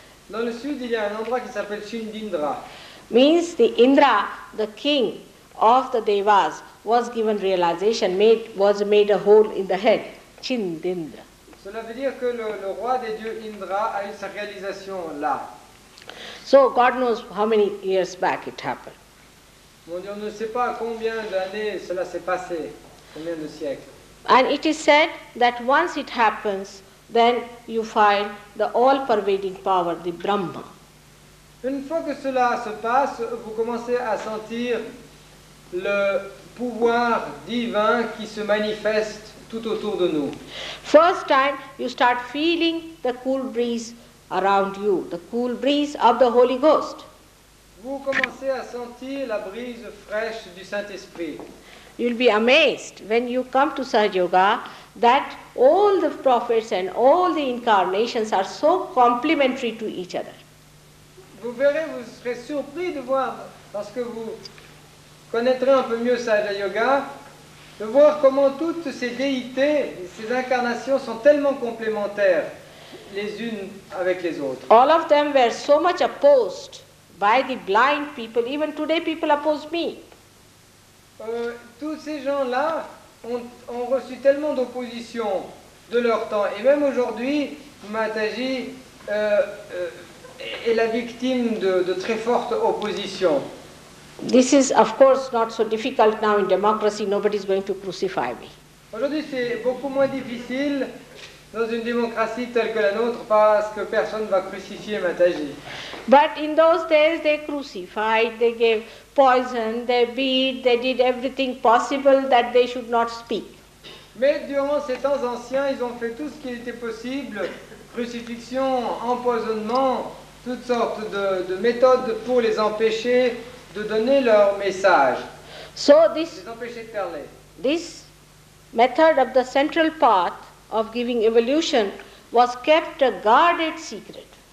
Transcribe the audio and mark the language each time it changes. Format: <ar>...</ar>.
<fr>Dans le sud, il y a un endroit qui s'appelle Chindindra.</fr> <en>Means the Indra, the king of the Devas, was given realization, was made a hole in the head. Chindindra.</en> <fr>Cela veut dire que le roi des dieux Indra a eu sa réalisation là.</fr> <en>So God knows how many years back it happened.</en> <fr>Mon Dieu ne sait pas combien d'années cela s'est passé, combien de siècles.</fr> <en>And it is said that once it happens, then you find the all-pervading power, the Brahma.</en> <fr>Une fois que cela se passe, vous commencez à sentir le pouvoir divin qui se manifeste tout autour de nous.</fr> <en>First time, you start feeling the cool breeze around you, the cool breeze of the Holy Ghost.</en> <fr>Vous commencez à sentir la brise fraîche du Saint-Esprit.</fr> <en>You'll be amazed when you come to Sahaja Yoga that all the prophets and all the incarnations are so complementary to each other.</en> <fr>Vous verrez, vous serez surpris de voir, lorsque vous connaîtrez un peu mieux Sahaja Yoga, de voir comment toutes ces déités, ces incarnations sont tellement complémentaires les unes avec les autres.</fr> <en>All of them were so much opposed by the blind people. Even today people oppose me.</en> <fr>Tous ces gens-là ont reçu tellement d'opposition de leur temps. Et même aujourd'hui, Mataji est la victime de très fortes oppositions.</fr> <en>This is of course not so difficult now in democracy. Nobody is going to crucify me.</en> <fr>Aujourd'hui, c'est beaucoup moins difficile dans une démocratie telle que la nôtre parce que personne ne va crucifier Mataji.</fr> <en>But in those days, they crucified, they gave poison, they beat, they did everything possible that they should not speak.</en> <fr>Mais durant ces temps anciens, ils ont fait tout ce qui était possible, crucifixion, empoisonnement, toutes sortes de méthodes pour les empêcher de donner leur message.</fr> <en>So this,</en> <fr>les empêcher de parler.</fr> <en>This method of the central path of giving evolution was kept a guarded secret.</en>